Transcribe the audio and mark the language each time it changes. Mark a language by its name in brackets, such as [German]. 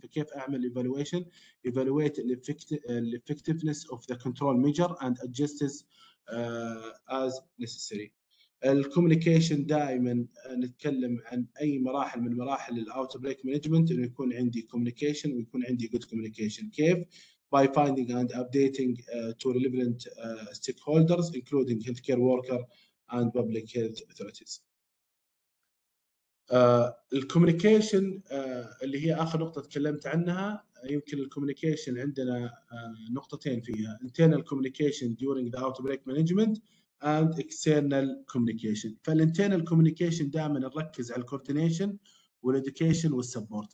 [Arabic] فكيف أعمل [English] evaluation؟ evaluate the effectiveness of the control measure and adjust as necessary. [Arabic] الcommunication دائما نتكلم عن أي مراحل من مراحل الـ outbreak management، إنه يكون عندي communication ويكون عندي good communication. كيف؟ [English] by finding and updating to relevant stakeholders including healthcare worker and public health authorities. [Arabic] الكوميونيكيشن اللي هي اخر نقطه تكلمت عنها، يمكن الكوميونيكيشن عندنا نقطتين فيها: [English] internal communication during the outbreak management and external communication. [Arabic] فالinternal communication دائما نركز على الكوردينيشن والeducation والسبورت.